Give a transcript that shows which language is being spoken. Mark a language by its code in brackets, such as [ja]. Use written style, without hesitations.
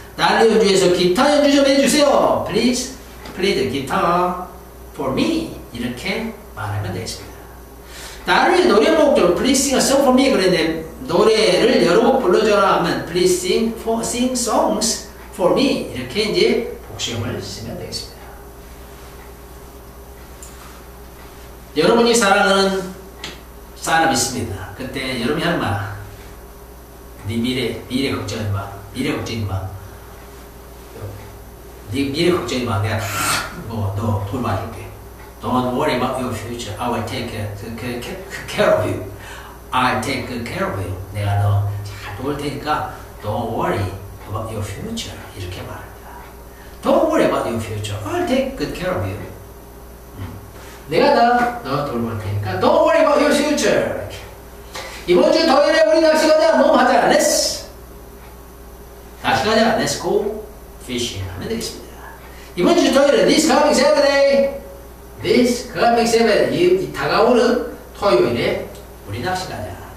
[ko] 나를 연주해서 기타 연주 좀 해주세요. [en] Please play the guitar for me. [ko] 이렇게 말하면 되겠습니다. 나를 노래 목적, [en] please sing a song for me. [ko] 그런데 노래를 여러 곡 불러줘라 하면 [en] please sing, for, sing songs for me. [ko] 이렇게 이제 복수형을 쓰면 되겠습니다. 여러분이 사랑하는 사람 있습니다. 그때 여러분이 하는 말, 네 미래 걱정하지 마. 미래 걱정하지 마. 네 미래 걱정하지 마. 내가 다 뭐 너 돌봐줄게. [en] Don't worry about your future. I will take care of you. I take care of you. [ko] 내가 너 잘 도울 테니까 [en] Don't worry about your future. [ko] 이렇게 말합니다. [en] Don't worry about your future. I'll take good care of you. [ko] 내가 다 너 돌볼 테니까 [en] Don't worry about your future. [ko] 이번 주 토요일에 우리 낚시 가자. 뭐 하자. Let's 낚시 가자. [en] Let's go fishing [ko] 하면 되겠습니다. 이번 주 토요일에 [en] This coming Saturday. This coming Saturday. [ko] 이 다가오는 토요일에 우리 낚시 가자.